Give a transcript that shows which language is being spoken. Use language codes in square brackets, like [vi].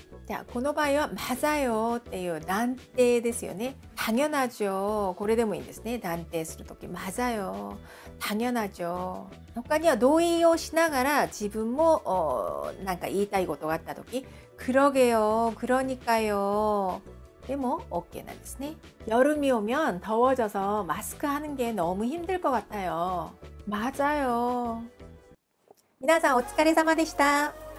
[ko] 자, [ja] この場合は、 [ko] 맞아요 [ja] っていう断定ですよね。 [ko] 당연하죠. [ja] これでもいいですね。断定するとき [ko] 맞아요. 당연하죠. [ja] 他には同意をしながら自分もなんか言いたいことがあったとき [ko] 그러게요. 그러니까요. [ja] でも、OKなんですね。 [ko] 여름이 오면 더워져서 마스크 하는 게 너무 힘들 것 같아요. 맞아요. [ja] 皆さんお疲れ様でした。